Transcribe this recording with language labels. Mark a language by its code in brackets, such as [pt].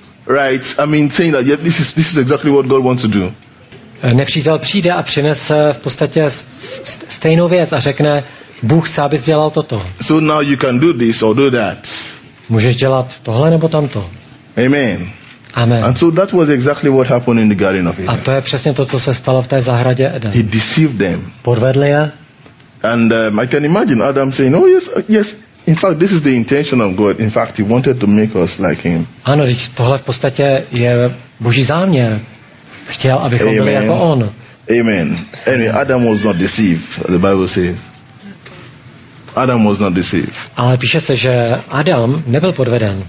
[en] Right, I mean saying that yeah, this is exactly what God wants to do. [cs] Nepřítel přijde a přinese v podstatě stejnou věc a řekne, Bůh se, abys dělal toto. [en] So now you can do this or do that. [cs] Můžeš dělat tohle nebo tamto. Amen. Amen. [en] And so that was exactly what happened in the Garden of Eden. [cs] A to je přesně to, co se stalo v té zahradě Eden. [en] He deceived them. [cs] Podvedl je. [en] And I can imagine Adam saying, oh yes, yes. In fact, this is the intention of God. In fact, he wanted to make us like him. [cs] Ano, tohle v podstatě je Boží záměr. Chtěl, abychom byli jako on. Amen. [en] Anyway, Adam was not deceived, the Bible says. Adam was not deceived. [cs] Ale píše se, že Adam nebyl podveden.